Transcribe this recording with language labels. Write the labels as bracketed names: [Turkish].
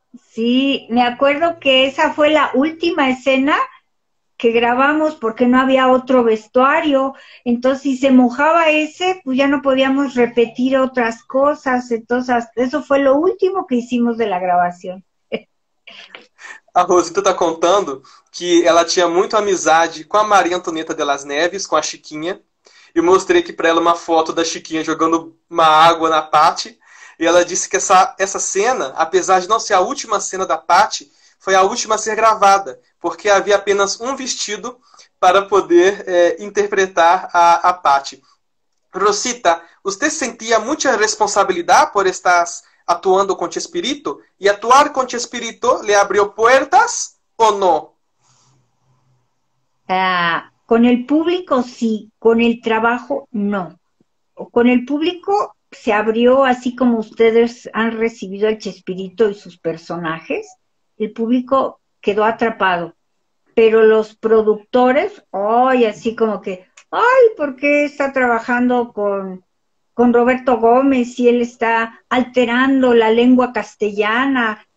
[Spanish] Sí, me acuerdo que esa fue la última escena que grabamos porque no había otro vestuario. Entonces, si se mojaba ese, pues ya no podíamos repetir otras cosas. Entonces, eso fue lo último que hicimos de la grabación. [Portuguese] A Rosita está contando que ela tinha muita amizade com a Maria Antonieta de las Neves, com a Chiquinha. Eu mostrei aqui para ela uma foto da Chiquinha jogando uma água na Patti. E ela disse que essa cena, apesar de não ser a última cena da Patti, foi a última a ser gravada, porque havia apenas um vestido para poder interpretar a Patti. Rosita, você sentia muita responsabilidade por estar atuando com Chespirito? E atuar com Chespirito lhe abriu portas ou não? [Spanish] Con el público sí, con el trabajo no. Con el público se abrió así como ustedes han recibido al Chespirito y sus personajes, el público quedó atrapado, pero los productores, ay, así como que, ay, ¿por qué está trabajando con Roberto Gómez y él está alterando la lengua castellana?